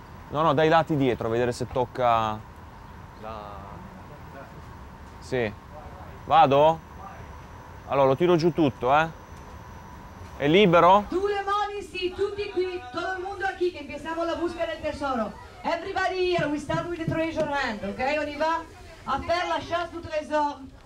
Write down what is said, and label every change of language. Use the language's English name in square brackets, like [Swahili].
[Italian] No, no, dai lati dietro a vedere se tocca. La. Sì. Vado? Allora lo tiro giù tutto, eh? È libero? Tutti qui, tutto il mondo qui che iniziamo la busca del tesoro. [English] Everybody here, we start with the treasure hunt, ok? [French] On y va a faire la chasse du trésor.